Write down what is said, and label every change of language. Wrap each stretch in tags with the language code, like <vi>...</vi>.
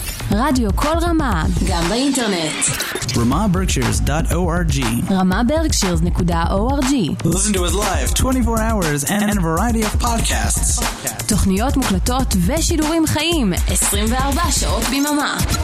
<he>Radio Kol Rama, גם באינטרנט.</he> <en>RamaBerkshires.org. RamaBerkshires.org. Listen to us live 24 hours and a variety of podcasts.</en> <he>תוכניות מוקלטות ושידורים חיים 24 שעות ביממה.</he>